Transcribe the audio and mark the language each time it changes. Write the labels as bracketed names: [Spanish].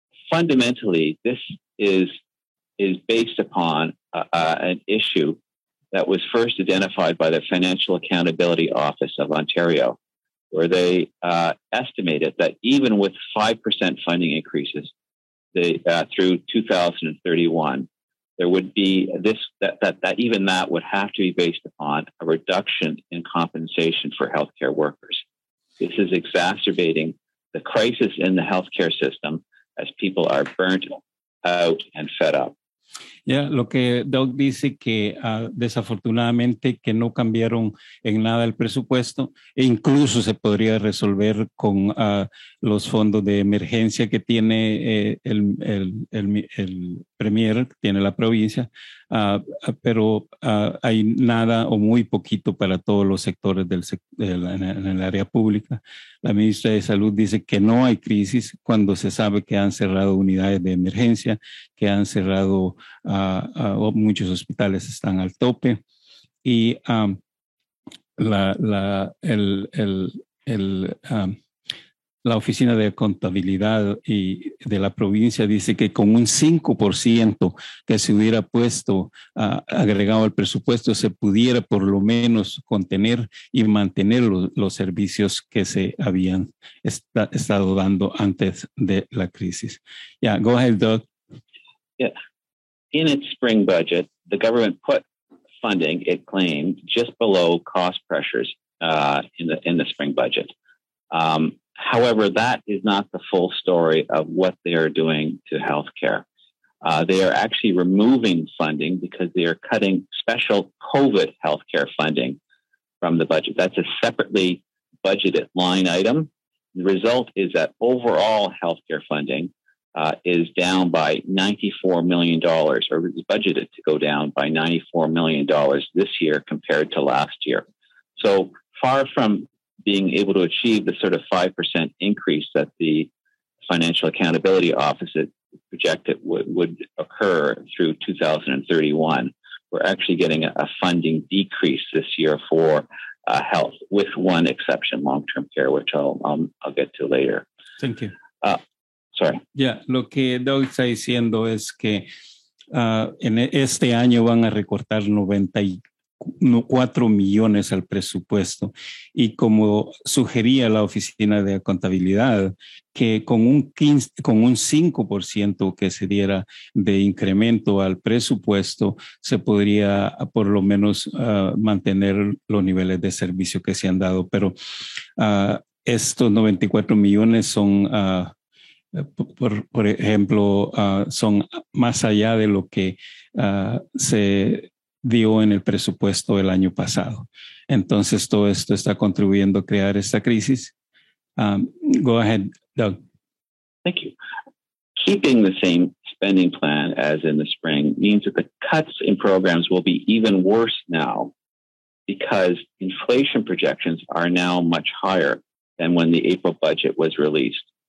[English] Fundamentally, this is based upon an issue that was first identified by the Financial Accountability Office of Ontario, where they estimated that even with 5% funding increases through 2031, there would be this, that even that would have to be based upon a reduction in compensation for healthcare workers. This is exacerbating the crisis in the healthcare system as people are burnt out and fed up. [Spanish] Yeah, lo que Doug dice que desafortunadamente que no cambiaron en nada el presupuesto, e incluso se podría resolver con los fondos de emergencia que tiene el premier, tiene la provincia, pero hay nada o muy poquito para todos los sectores en el área pública. La ministra de Salud dice que no hay crisis cuando se sabe que han cerrado unidades de emergencia, que han cerrado muchos hospitales están al tope y la la Oficina de Contabilidad y de la provincia dice que con un 5% que se hubiera puesto agregado al presupuesto, se pudiera por lo menos contener y mantener los servicios que se habían estado dando antes de la crisis. [English] Yeah, go ahead, Doug. Yeah. In its spring budget, the government put funding, it claimed, just below cost pressures in the spring budget. However, that is not the full story of what they are doing to healthcare. They are actually removing funding because they are cutting special COVID healthcare funding from the budget. That's a separately budgeted line item. The result is that overall healthcare funding is down by $94 million, or is budgeted to go down by $94 million this year compared to last year. So far from being able to achieve the sort of 5% increase that the Financial Accountability Office projected would occur through 2031, we're actually getting a funding decrease this year for health, with one exception, long-term care, which I'll get to later. Thank you. Sorry. [Spanish] Lo que Doug está diciendo es que en este año van a recortar 94 millones al presupuesto, y como sugería la Oficina de Contabilidad, que con un 5% que se diera de incremento al presupuesto, se podría por lo menos mantener los niveles de servicio que se han dado. Pero estos 94 millones son... Por ejemplo, son más allá de lo que se dio en el presupuesto el año pasado. Entonces, todo esto está contribuyendo a crear esta crisis. [English] Go ahead, Doug. Thank you. Keeping the same spending plan as in the spring means that the cuts in programs will be even worse now, because inflation projections are now much higher than when the April budget was released.